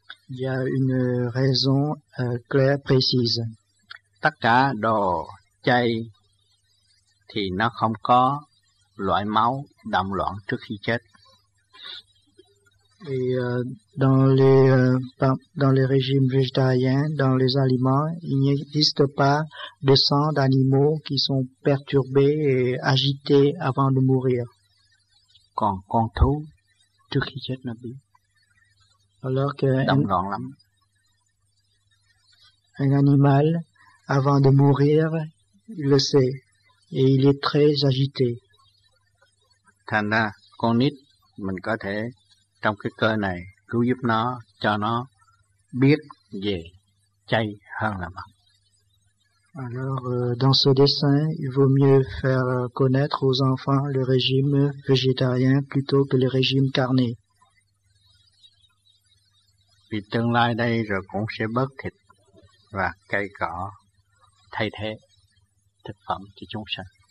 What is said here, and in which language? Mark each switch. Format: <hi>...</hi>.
<fr>Il y a une raison claire, précise.</fr> <vi>Tất cả đồ chay thì nó không có loại máu đậm loạn trước khi chết.</vi> <fr>Et dans les régimes végétariens, dans les aliments, il n'existe pas de sang d'animaux qui sont perturbés et agités avant de mourir.</fr> <vi>Còn con thú trước khi chết nó bị đậm loạn lắm.</vi> <fr>Un animal avant de mourir, il le sait, et il est très agité.</fr> <vi>Thành ra, con nít, mình có thể, trong cái cơ này, cứu giúp nó, cho nó biết về chay hơn là mặn.</vi> <fr>Alors, dans ce dessin, il vaut mieux faire connaître aux enfants le régime végétarien plutôt que le régime carné.</fr> <vi>Vì tương lai đây, rồi cũng sẽ bớt thịt và cây cỏ thay thế thực phẩm cho chúng sanh.</vi>